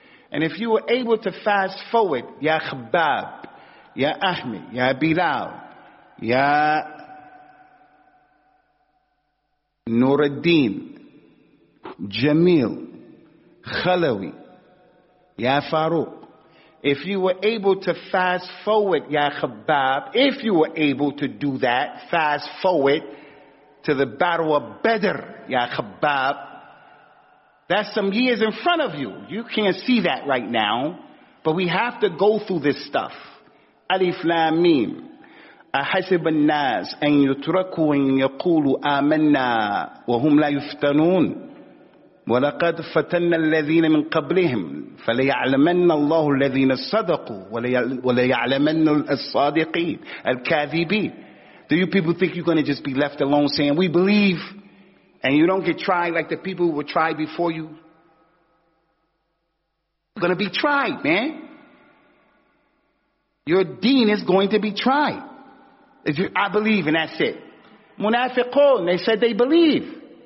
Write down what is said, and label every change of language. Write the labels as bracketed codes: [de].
[en] And if you were able to fast forward, Ya Khabbab, Ya Ahmed, Ya Bilal, Ya Nuruddin, Jamil, Khalawi, Ya Farooq, if you were able to fast forward, Ya Khabbab, if you were able to do that, fast forward to the Battle of Badr, Ya Khabbab, that's some years in front of you. You can't see that right now, but we have to go through this stuff. Alif Lam Mim. [ar] أحسب الناس أن يتركوا أن يقولوا آمنا وهم لا يفتنون ولقد فتن الذين من قبلهم فليعلمن الله الذين صدقوا وليعلمن الصادقين الكاذبين. [en] Do you people think you're going to just be left alone saying we believe and you don't get tried like the people who were tried before you? You're going to be tried, man. Your deen is going to be tried. I believe and that's it. Munafiqun, they said they believe.